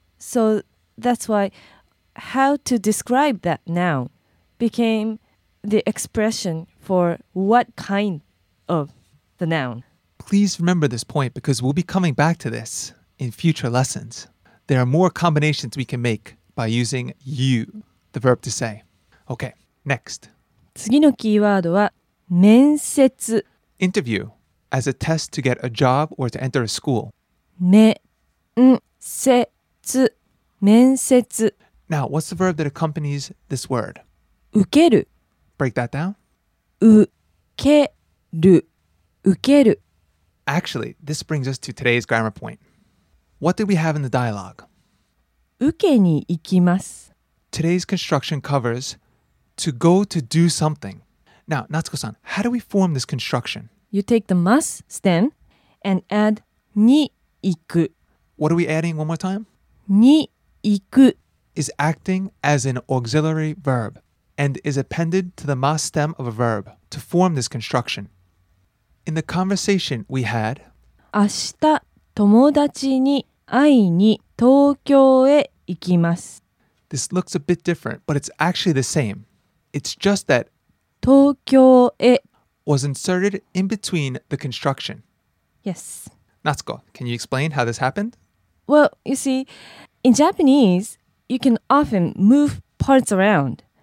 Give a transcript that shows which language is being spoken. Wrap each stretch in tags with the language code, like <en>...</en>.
<en>So that's why how to describe that noun became the expression for what kind of. The noun. Please remember this point because we'll be coming back to this in future lessons. There are more combinations we can make by using you, the verb to say. Okay, next.</en> <ja>次のキーワードは面接。</ja> <en>Interview, as a test to get a job or to enter a school.</en> <ja>面接。面接。</ja> <en>Now, what's the verb that accompanies this word?</en> <ja>受ける。</ja> <en>Break that down.</en> <ja>受ける。受ける。</ja> <en>Actually, this brings us to today's grammar point. What did we have in the dialogue?</en> <ja>受けに行きます。</ja> <en>Today's construction covers to go to do something. Now, Natsuko-san, how do we form this construction? You take the must stem and add に行く。 What are we adding one more time?</en> <ja>に行く。</ja> <en>Is acting as an auxiliary verb and is appended to the must stem of a verb to form this construction. In the conversation we had,</en> <ja>明日友達に会いに東京へ行きます。</ja> <en>This looks a bit different, but it's actually the same. It's just that</en> <ja>東京へ</ja> <en>was inserted in between the construction. Yes. Natsuko, can you explain how this happened? Well, you see, In Japanese, you can often move parts around.</en>